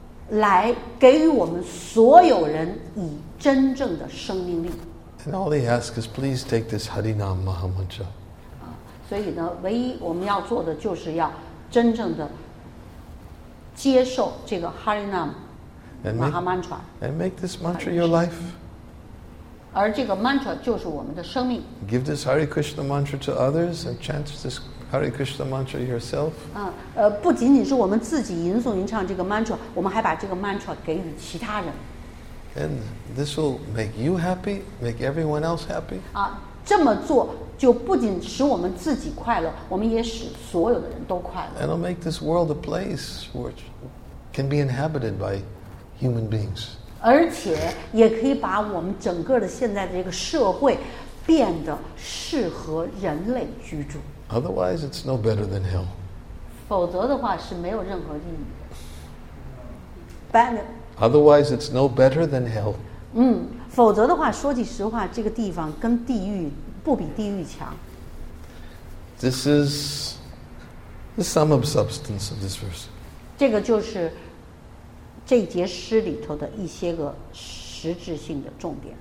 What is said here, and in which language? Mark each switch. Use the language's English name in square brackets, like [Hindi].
[Chinese] 来给予我们所有人以真正的生命力。 [English] And all he asks is, please take this Harinam Mahamantra. [Chinese] 所以呢，唯一我们要做的就是要真正的接受这个 Harinam Mahamantra. [English] And make this mantra your life. [Chinese] 而这个 mantra 就是我们的生命。 [English] Give this Hare Krishna mantra to others and chant this. Hare Krishna mantra yourself. [Chinese] 不仅仅是我们自己吟诵吟唱这个 mantra， 我们还把这个 mantra 给予其他人。 [English] And this will make you happy, make everyone else happy. [Chinese] 这么做就不仅使我们自己快乐，我们也使所有的人都快乐。 [English] And it'll make this world a place which can be inhabited by human beings. [Chinese] 而且也可以把我们整个的现在的这个社会变得适合人类居住。 [English] Otherwise, it's no better than hell. [Chinese] 否则的话是没有任何意义的。 [English] Otherwise, it's no better than hell. [Chinese] 否则的话，说句实话，这个地方跟地狱不比地狱强。 [English] This is the sum of substance of this verse. [Chinese] 这个就是这节诗里头的一些个实质性的重点。